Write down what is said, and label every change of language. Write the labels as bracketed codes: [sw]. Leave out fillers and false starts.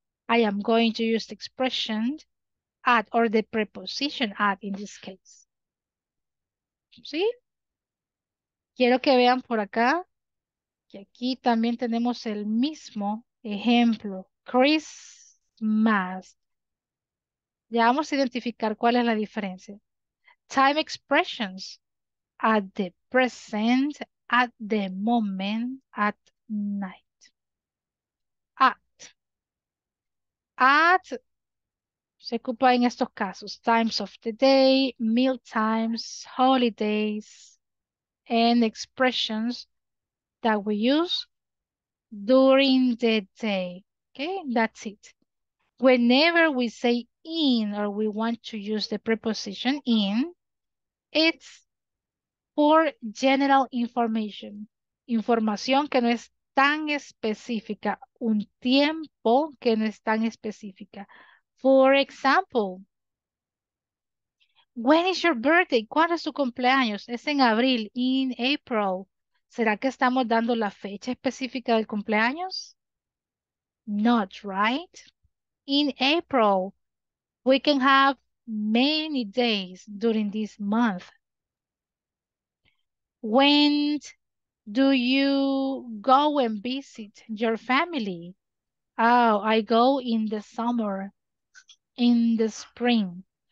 [en] I am going to use the expression at or the preposition at in this case. [es] ¿Sí? Quiero que vean por acá que aquí también tenemos el mismo ejemplo. Christmas. Ya vamos a identificar cuál es la diferencia. [en] Time expressions. At the present, at the moment, at night. At [es] se ocupa en estos casos, [en] times of the day, meal times, holidays, and expressions that we use during the day. Okay, that's it. Whenever we say in or we want to use the preposition in, it's for general information. [es] Información que no es tan específica, un tiempo que no es tan específica. [en] For example, when is your birthday? [es] ¿Cuándo es su cumpleaños? Es en abril, [en] in April. [es] ¿Será que estamos dando la fecha específica del cumpleaños? [en] Not right. In April, we can have many days during this month. When do you go and visit your family? Oh, I go in the summer, in the spring.